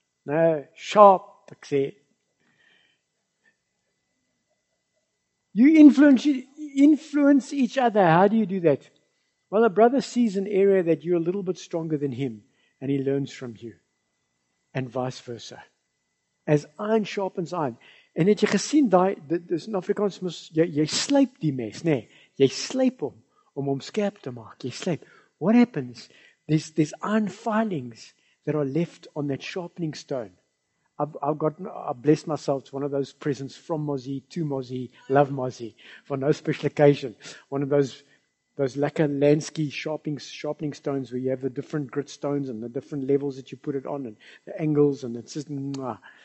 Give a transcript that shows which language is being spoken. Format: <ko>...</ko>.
<en>No, sharp,</en> <af>ek sê.</af> <en>You influence each other. How do you do that? Well, a brother sees an area that you're a little bit stronger than him, and he learns from you, and vice versa. As iron sharpens iron.</en> <af>En het jy gesien, dis in Afrikaans, jy slyp die mes, nee, jy slyp om skerp te maak, jy slyp.</af> <en>What happens? There's iron filings that are left on that sharpening stone. I've blessed myself to one of those presents from Mozzie to Mozzie, love Mozzie, for no special occasion. One of those lekker Lansky sharpening stones where you have the different grit stones and the different levels that you put it on and the angles and it's just, mwah.</en>